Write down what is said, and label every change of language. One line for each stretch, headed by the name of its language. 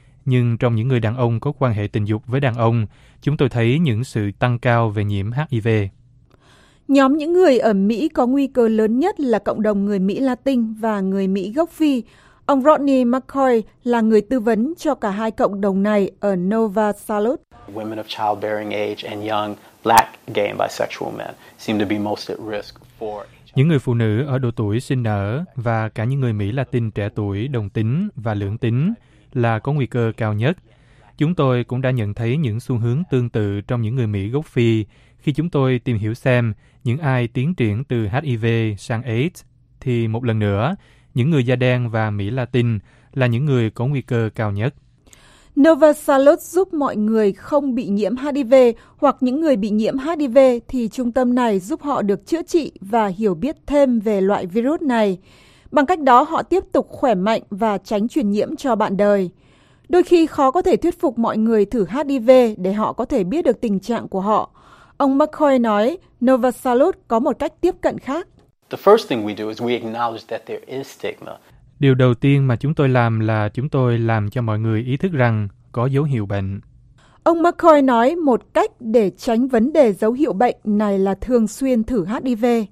Vietnamese: Nhưng trong những người đàn ông có quan hệ tình dục với đàn ông, chúng tôi thấy những sự tăng cao về nhiễm HIV. Nhóm những người ở Mỹ có nguy cơ lớn nhất là cộng đồng người Mỹ Latin và người Mỹ gốc Phi. Ông Rodney McCoy là người tư vấn cho cả hai cộng đồng này ở Nova Salud.
English: Women of childbearing age and young black gay and bisexual men seem to be most at risk for...
Vietnamese: Những người phụ nữ ở độ tuổi sinh nở và cả những người Mỹ Latin trẻ tuổi đồng tính và lưỡng tính là có nguy cơ cao nhất. Chúng tôi cũng đã nhận thấy những xu hướng tương tự trong những người Mỹ gốc Phi khi chúng tôi tìm hiểu xem những ai tiến triển từ HIV sang AIDS, thì một lần nữa, những người da đen và Mỹ Latin là những người có nguy cơ cao nhất. Nova Salud giúp mọi người không bị nhiễm HIV hoặc những người bị nhiễm HIV thì trung tâm này giúp họ được chữa trị và hiểu biết thêm về loại virus này. Bằng cách đó họ tiếp tục khỏe mạnh và tránh truyền nhiễm cho bạn đời. Đôi khi khó có thể thuyết phục mọi người thử HIV để họ có thể biết được tình trạng của họ. Ông McCoy nói Nova Salud có một cách tiếp cận khác.
English: The first thing we do is we acknowledge that there is stigma.
Vietnamese: Điều đầu tiên mà chúng tôi làm là chúng tôi làm cho mọi người ý thức rằng có dấu hiệu bệnh. Ông McCoy nói một cách để tránh vấn đề dấu hiệu bệnh này là thường xuyên thử HIV.